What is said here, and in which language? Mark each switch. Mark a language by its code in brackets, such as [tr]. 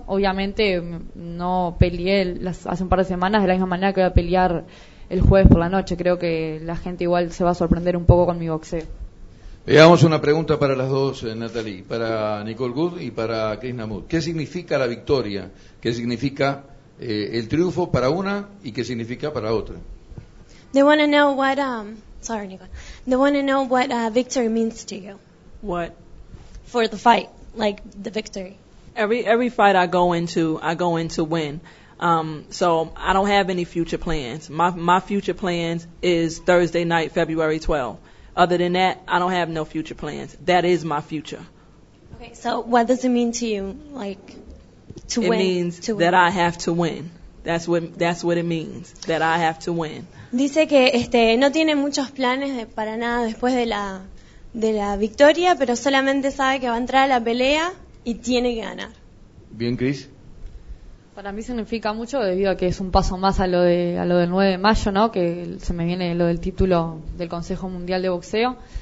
[es] Obviamente no peleé hace un par de semanas de la misma manera que voy a pelear el jueves por la noche. Creo que la gente igual se va a sorprender un poco con mi boxeo. Veamos una pregunta para las dos, Natalie, para Nicole Good y para Chris Namud. ¿Qué significa la victoria? ¿Qué significa el triunfo para una y qué significa para otra? [en] They want to know what sorry, Nicole. They want to know what victory means to you. What? For the fight, like the victory. Every fight I go into win. So I don't have any future plans. My future plans is Thursday night, February 12th. Other than that, I don't have no future plans. That is my future. Okay, so what does it mean to you, like, to it win? It means to that win. I have to win. That's what it means, that I have to win. [es] Dice que no tiene muchos planes para nada después de la victoria, pero solamente sabe que va a entrar a la pelea y tiene que ganar. Bien, Chris. Para mí significa mucho debido a que es un paso más a lo del 9 de mayo, ¿no? Que se me viene lo del título del Consejo Mundial de Boxeo.